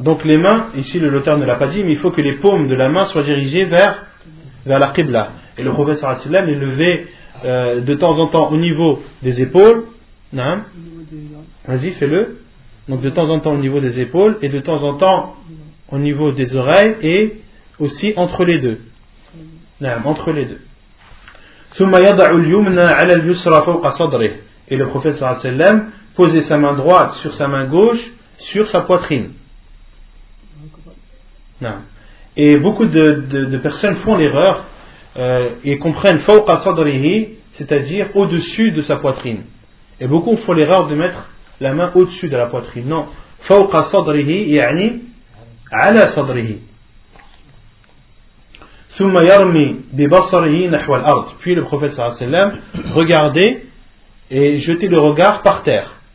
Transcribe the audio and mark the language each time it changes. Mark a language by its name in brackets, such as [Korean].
[French] Donc les mains, ici l'auteur ne l'a pas dit, mais il faut que les paumes de la main soient dirigées vers la Qibla. Et le prophète sallallahu alayhi wa sallam est levé de temps en temps au niveau des épaules. Naam. Vas-y, fais-le. Donc de temps en temps au niveau des épaules et de temps en temps au niveau des oreilles et aussi entre les deux. Naam, entre les deux. [Arabic] ثم يضع اليمنى على اليسرى فوق صدره. [French] Et le prophète صلى الله عليه وسلم posait sa main droite sur sa main gauche sur sa poitrine. Et beaucoup de personnes font l'erreur et comprennent [Arabic] فوق صدره, [French] c'est-à-dire au-dessus de sa poitrine. Et beaucoup font l'erreur de mettre la main au-dessus de la poitrine. [Arabic] Non, فوق صدره يعني على صدره. ثم يرمي ببصره نحو الأرض. [French] Puis le prophète صلى الله عليه وسلم regardait et jetait le regard par terre.